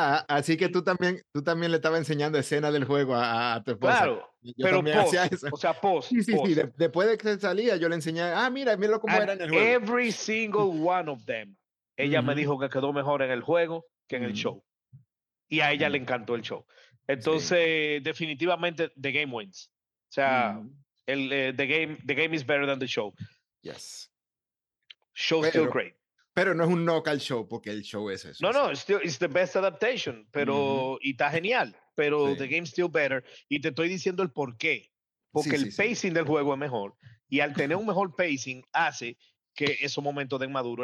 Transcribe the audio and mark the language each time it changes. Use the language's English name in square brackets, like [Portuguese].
[Spanish] Ah, así que tú también le estabas enseñando escenas del juego a tu esposa. Claro. Yo pero post, hacía eso. O sea, post. Sí, sí, post. Sí. Después de que salía, yo le enseñé, mira cómo [English] and [Spanish] era en el juego. [English] Every single one of them. [Spanish] Ella me dijo que quedó mejor en el juego que en el show. Y a ella le encantó el show. Entonces, definitivamente, [English] the game wins. [Spanish] O sea, [English] the game is better than the show. Yes. Show still great. [Spanish] Pero no es un knock al show, porque el show es eso. No, [English] it's the best adaptation, [Spanish] pero y está genial. Pero [English] the game still better. [Spanish] Y te estoy diciendo el por qué. Porque el pacing del juego es mejor. Y al tener un mejor pacing, hace que esos momentos den maduro.